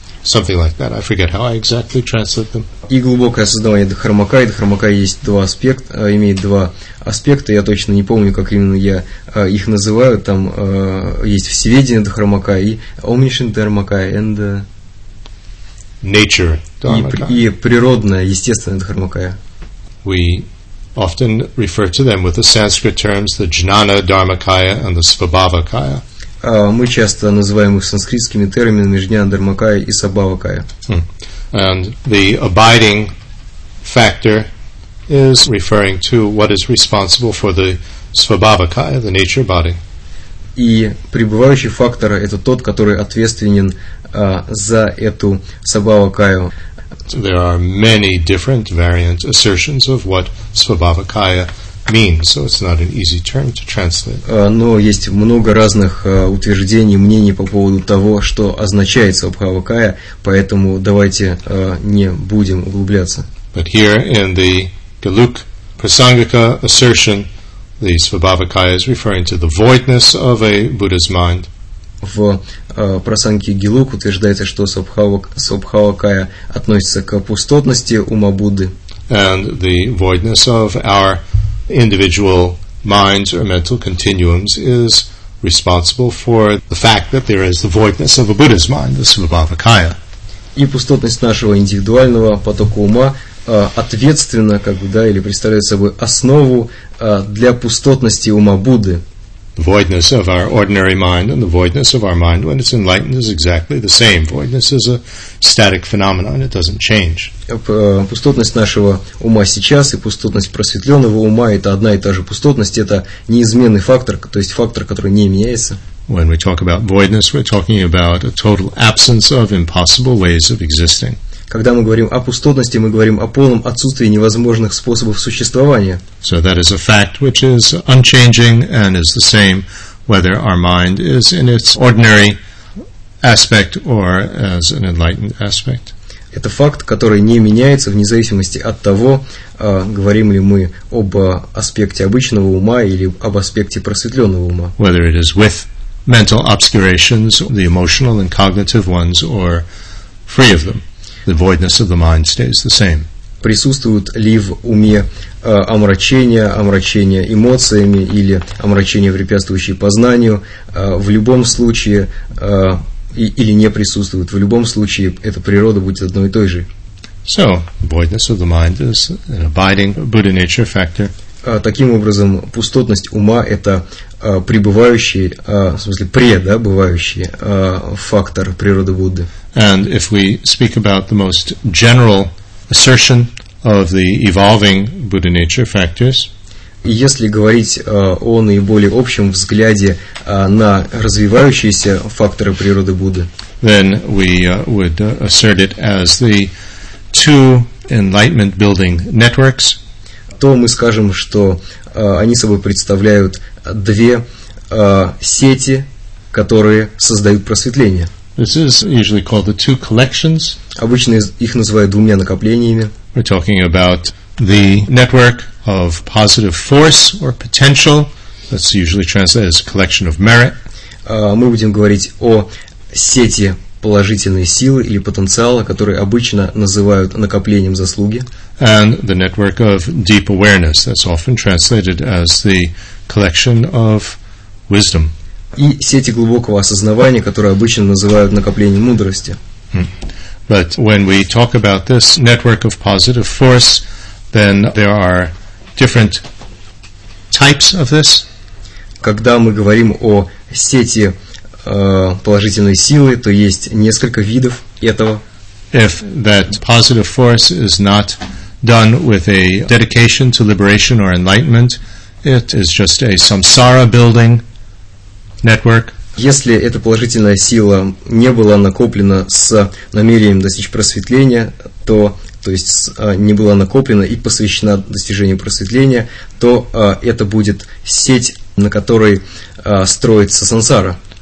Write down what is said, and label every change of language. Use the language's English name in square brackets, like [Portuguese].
[English] Something like that. I forget how I exactly translate them. [Russian] И глубокое осознание Дхармакая. Дхармакая есть два аспекта, имеет два аспекта. Я точно не помню, как именно я их называю. Там есть всеведение Дхармакая и [English] omniscient [Russian] Дхармакая [English] and nature Дхармакая. [Russian] И природная, естественная Дхармакая. [English] We often refer to them with the Sanskrit terms the Jnana Dharmakaya and the Svabhavakaya. [Russian] Мы часто называем их санскритскими терминами Jnana Dharmakaya и Svabhavakaya. [English] And the abiding factor is referring to what is responsible for the Svabhavakaya, the nature body. [Russian] И пребывающий фактор – это тот, который ответственен за эту Svabhavakaya. [English] There are many different variant assertions of what Svabhavakaya means, so it's not an easy term to translate. [Russian] Но есть много разных утверждений, мнений по поводу того, что означает Svabhavakaya, поэтому давайте не будем углубляться. [English] But here in the Galuk Prasangika assertion, the Svabhavakaya is referring to the voidness of a Buddha's mind. [Russian] В Прасанке Гилук утверждается, что Svabhavakaya относится к пустотности ума Будды. [English] And the voidness of our individual minds or mental continuums is responsible for the fact that there is the voidness of a Buddha's mind, the Svabhavakaya. [Russian] И пустотность нашего индивидуального потока ума ответственна, как бы, да, или представляет собой основу для пустотности ума Будды. [English] The voidness of our ordinary mind and the voidness of our mind when it's enlightened is exactly the same. Voidness is a static phenomenon, it doesn't change. [Russian] Пустотность нашего ума сейчас и пустотность просветленного ума – это одна и та же пустотность, это неизменный фактор, то есть фактор, который не меняется. [English] When we talk about voidness, we're talking about a total absence of impossible ways of existing. [Russian] Когда мы говорим о пустотности, мы говорим о полном отсутствии невозможных способов существования. [English] So that is a fact which is unchanging and is the same whether our mind is in its ordinary aspect or as an enlightened aspect. [Russian] Это факт, который не меняется вне зависимости от того, говорим ли мы об аспекте обычного ума или об аспекте просветленного ума. [English] Whether it is with mental obscurations, the emotional and cognitive ones, or free of them. The voidness of the mind stays the same. [Russian] Присутствуют ли в уме омрачения, омрачения эмоциями или омрачения, препятствующие познанию, в любом случае или не присутствуют. В любом случае эта природа будет одной и той же. [English] So, voidness of the mind is an abiding Buddha nature factor. [Russian] Таким образом, пустотность ума – это пребывающий, в смысле, пребывающий фактор природы Будды. [English] And if we speak about the most general assertion of the evolving Buddha nature factors, [Russian] если говорить о наиболее общем взгляде на развивающиеся факторы природы Будды, [English] then we would assert it as the two enlightenment building networks, [Russian] то мы скажем, что они собой представляют две сети, которые создают просветление. [English] This is usually called the two collections. [Russian] Обычно их называют двумя накоплениями. [English] We're talking about the network of positive force or potential. That's usually translated as collection of merit. [Russian] Мы будем говорить о сети положительной силы или потенциала, который обычно называют накоплением заслуги. [English] And the network of deep awareness. That's often translated as the collection of wisdom. [Russian] И сети глубокого осознавания, которые обычно называют накоплением мудрости. [English] But when we talk about this network of positive force, then there are different types of this. [Russian] Когда мы говорим о сети положительной силы, то есть несколько видов этого. [English] If that positive force is not done with a dedication to liberation or enlightenment, it is just a samsara building network. [Russian] Если эта положительная сила не была накоплена с намерением достичь просветления, то есть не была накоплена и посвящена достижению просветления, то это будет сеть на которой строится сансара.